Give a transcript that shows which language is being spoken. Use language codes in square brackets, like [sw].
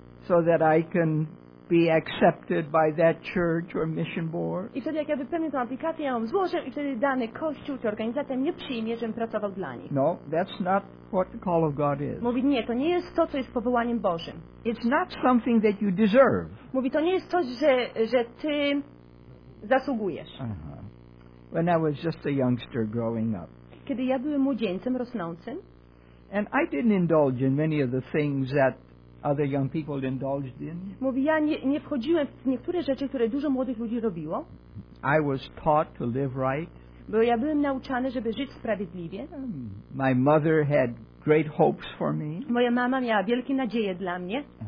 [en] So that I can be accepted by that church or mission board. [pl] I wtedy jak ja wypełnię tę aplikację, ja ją złożę i wtedy dany kościół czy organizacja mnie przyjmie, żebym pracował dla nich. [en] No, that's not what the call of God is. [pl] Mówi, nie, to nie jest to, co jest powołaniem Bożym. [en] It's not something that you deserve. [pl] Mówi, to nie jest coś, że ty zasługujesz. Uh-huh. [en] When I was just a youngster growing up. [pl] Kiedy ja byłem młodzieńcem rosnącym. [en] And I didn't indulge in many of the things that other young people indulged in. [pl] Mówi, ja nie wchodziłem w niektóre rzeczy, które dużo młodych ludzi robiło. [en] I was taught to live right. [pl] Bo ja byłem nauczany, żeby żyć sprawiedliwie. [en] My mother had great hopes for me. [pl] Moja mama miała wielkie nadzieje dla mnie.